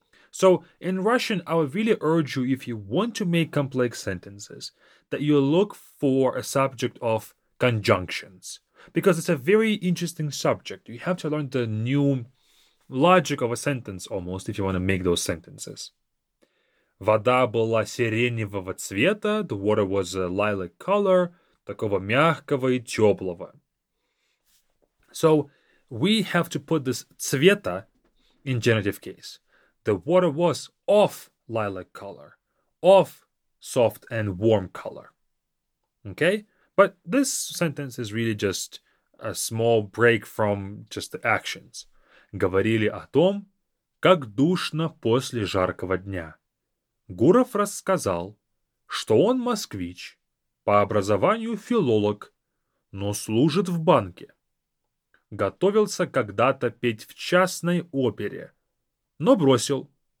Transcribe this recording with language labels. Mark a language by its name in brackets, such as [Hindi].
[English] So, in Russian, I would really urge you, if you want to make complex sentences, that you look for a subject of conjunctions. Because it's a very interesting subject. You have to learn the new logic of a sentence, almost, if you want to make those sentences. [Russian] Вода была сиреневого цвета. [English] The water was a lilac color. [Russian] Такого мягкого и теплого. [English] So, we have to put this цвета in genitive case. The water was of lilac color, of soft and warm color. Okay? But this sentence is really just a small break from just the actions. [Russian] Говорили о том, как душно после жаркого дня. Гуров рассказал, что он москвич, по образованию филолог, но служит в банке. Готовился когда-то петь в частной опере, но бросил.